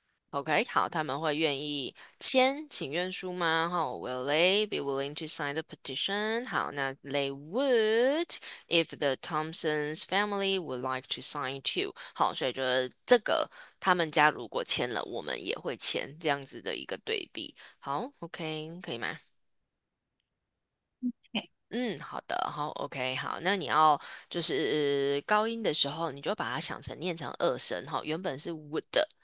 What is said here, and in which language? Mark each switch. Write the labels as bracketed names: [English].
[Chinese] OK，好，他们会愿意签请愿书吗？ [English] 哈，Will they be willing to sign the petition？ [Chinese] 好，那 [English] they would if the Thompson's family would like to sign too。 [Chinese] 好，所以就是这个，他们家如果签了，我们也会签，这样子的一个对比。好，OK，可以吗？好的，好，OK，好，那你要就是高音的时候，你就把它想成念成二声，哈，原本是 would 的。